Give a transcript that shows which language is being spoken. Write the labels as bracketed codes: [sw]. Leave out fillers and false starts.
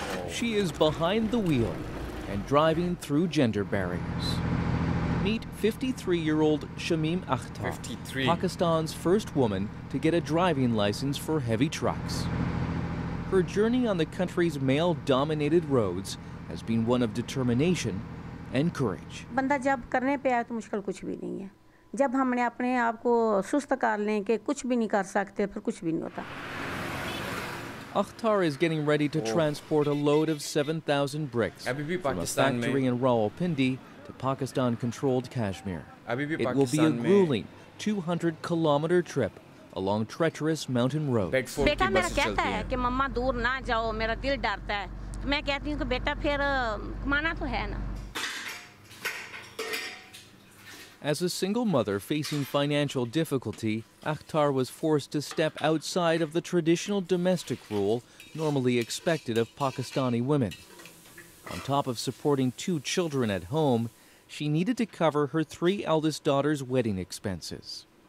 [en] She is behind the wheel and driving through gender barriers. Meet 53-year-old Shamim Akhtar, 53. Pakistan's first woman to get a driving license for heavy trucks. Her journey on the country's male-dominated roads has been one of determination and courage. [hi] बंदा जब करने पे आया तो मुश्किल कुछ भी नहीं है. जब हमने अपने आप को सुस्त कर लें कि कुछ भी नहीं कर सकते, फिर कुछ भी नहीं होता. [en] Akhtar is getting ready to transport a load of 7,000 bricks from a factory in Rawalpindi to Pakistan-controlled Kashmir. It will be a grueling 200-kilometer trip along treacherous mountain roads. [hi] बेटा मेरा कहता है कि मम्मा दूर ना जाओ, मेरा दिल डरता है. मैं कहती हूँ कि बेटा फिर कमाना तो है ना. [en] As a single mother facing financial difficulty, Akhtar was forced to step outside of the traditional domestic role normally expected of Pakistani women. On top of supporting two children at home, she needed to cover her three eldest daughters' wedding expenses.